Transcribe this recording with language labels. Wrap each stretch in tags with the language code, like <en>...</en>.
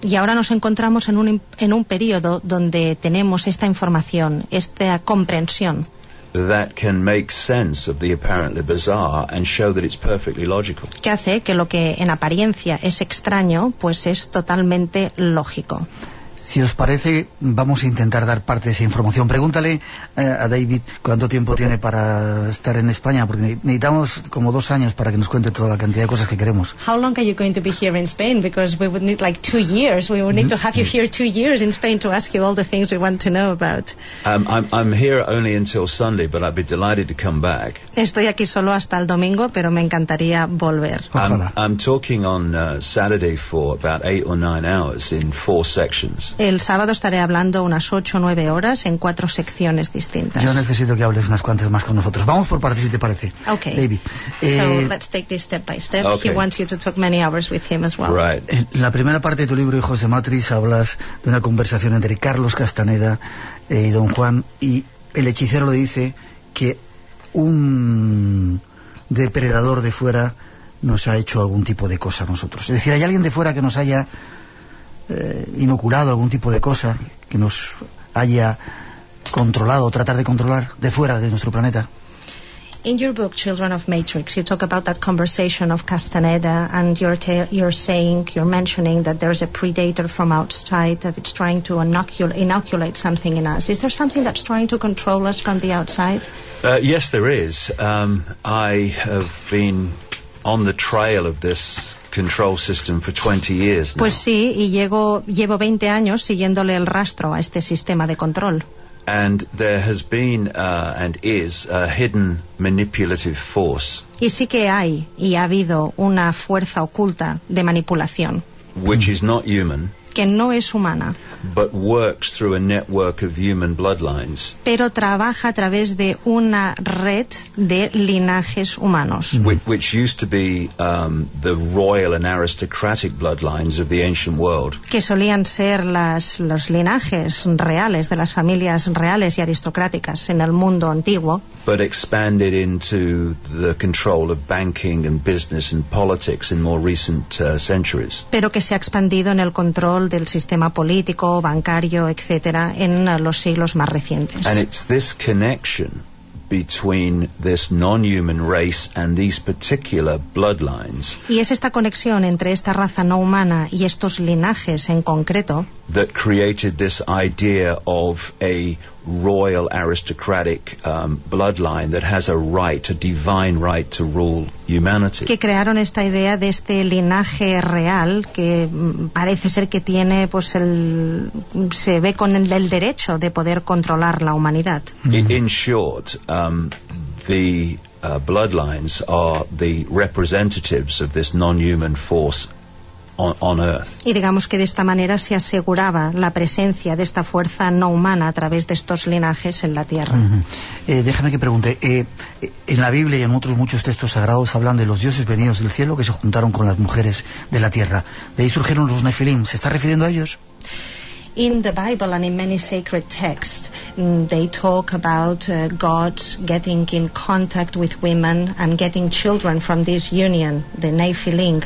<es>Y ahora nos encontramos en un periodo donde tenemos esta información, esta comprensión.</es> <en>That can make sense of the apparently bizarre and show that it's perfectly logical.</en> <es>Que hace que lo que en apariencia es extraño, pues es totalmente lógico. Si os parece, vamos a intentar dar parte de esa información. Pregúntale a David cuánto tiempo tiene para estar en España, porque necesitamos como 2 años para que nos cuente toda la cantidad de cosas que queremos.</es> <en>How long are you going to be here in Spain? Because we would need like 2 years. We would need to have you here 2 years in Spain to ask you all the things we want to know about. I'm here only until Sunday, but I'd be delighted to come back.</en> <es>Estoy aquí solo hasta el domingo, pero me encantaría volver.</es> <en>I'm talking on Saturday for about 8 or 9 hours in 4 sections.</en> <es>El sábado estaré hablando unas 8 o 9 horas en 4 secciones distintas. Yo necesito que hables unas cuantas más con nosotros. Vamos por partes, si te parece.</es> <en>Okay. David. So let's take this step by step. Okay. He wants you to talk many hours with him as well. Right.</en> <es>En la primera parte de tu libro, Hijos de Matrix, hablas de una conversación entre Carlos Castaneda y Don Juan, y el hechicero le dice que un depredador de fuera nos ha hecho algún tipo de cosa a nosotros. Es decir, hay alguien de fuera que nos haya inoculado algún tipo de cosa, que nos haya controlado, tratar de controlar de fuera de nuestro planeta.</es> <en>In your book Children of Matrix, you talk about that conversation of Castaneda, and you're mentioning that there's a predator from outside that it's trying to inoculate something in us. Is there something that's trying to control us from the outside? Yes, there is. I have been on the trail of this control system for 20 years now.</en> <es>Pues sí, y llevo 20 años siguiéndole el rastro a este sistema de control.</es> <en>And there has been and is a hidden manipulative force.</en> <es>Y sí que hay y ha habido una fuerza oculta de manipulación.</es> <en>Which is not human.</en> <es>Que no es humana.</es> <en>But works through a network of human bloodlines.</en> <es>Pero trabaja a través de una red de linajes humanos.</es> <en>Which used to be the royal and aristocratic bloodlines of the ancient world.</en> <es>Que solían ser los linajes reales de las familias reales y aristocráticas en el mundo antiguo.</es> <en>But expanded into the control of banking and business and politics in more recent centuries.</en> <es>Pero que se ha expandido en el control del sistema político, bancario, etcétera, en los siglos más recientes.</es> <en>And it's this connection between this non-human race and these particular bloodlines.</en> <es>Y es esta conexión entre esta raza no humana y estos linajes en concreto</es> <en>that created this idea of a royal aristocratic bloodline that has a right, a divine right to rule humanity.</en> <es>Que crearon esta idea de este linaje real que parece ser que tiene, pues se ve con el derecho de poder controlar la humanidad.</es> <en>In short, the bloodlines are the representatives of this non-human force on Earth.</en> <es>Y digamos que de esta manera se aseguraba la presencia de esta fuerza no humana a través de estos linajes en la Tierra. Déjame que pregunte, en la Biblia y en otros muchos textos sagrados hablan de los dioses venidos del cielo que se juntaron con las mujeres de la Tierra. De ahí surgieron los Nefilim. ¿Se está refiriendo a ellos?</es> <en>in the Bible and in many sacred texts, they talk about God getting in contact with women and getting children from this union, the Nephilim.</en>